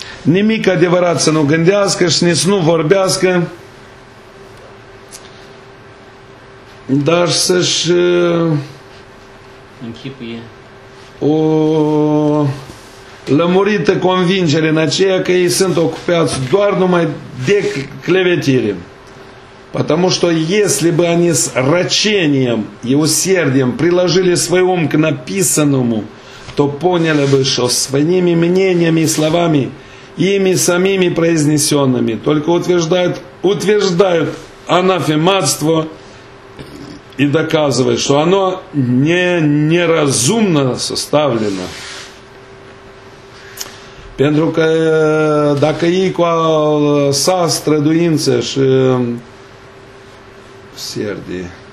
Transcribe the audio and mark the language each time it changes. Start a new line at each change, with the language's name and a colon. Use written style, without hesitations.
Romanian: Nimic adevărat să nu gândească și nici să nu vorbească, dar să-și închipuie o lămurită convingere în aceea că ei sunt ocupați doar numai de clevetire.
Russian: Потому что если бы они с рачением и усердием приложили свой ум к написанному, то поняли бы, что своими мнениями и словами, ими самими произнесенными, только утверждают анафематство и доказывает, что оно неразумно составлено.
Romanian: Pentru că dacă ei cu al sa străduință și serdie